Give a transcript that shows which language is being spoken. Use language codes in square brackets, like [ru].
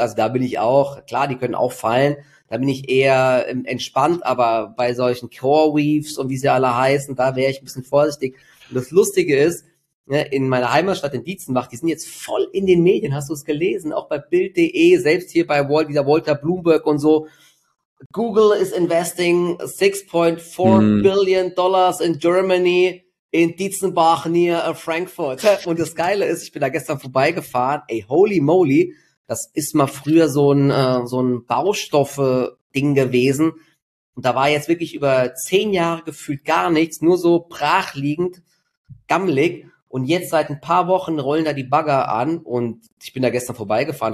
[de] Also da bin ich auch, klar, die können auch fallen. Da bin ich eher entspannt, aber bei solchen CoreWeaves und wie sie alle heißen, da wäre ich ein bisschen vorsichtig. Und das Lustige ist, in meiner Heimatstadt in Dietzenbach, die sind jetzt voll in den Medien, hast du es gelesen? Auch bei Bild.de, selbst hier bei wieder Walter Bloomberg und so. [en] Google is investing 6.4 billion dollars in Germany, in Dietzenbach near Frankfurt. [de] Und das Geile ist, ich bin da gestern vorbeigefahren, ey, [en] holy moly, [de] das ist mal früher so ein Baustoffe-Ding gewesen. Und da war jetzt wirklich über 10 Jahre gefühlt gar nichts, nur so brachliegend, gammelig. Und jetzt seit ein paar Wochen rollen da die Bagger an und ich bin da gestern vorbeigefahren.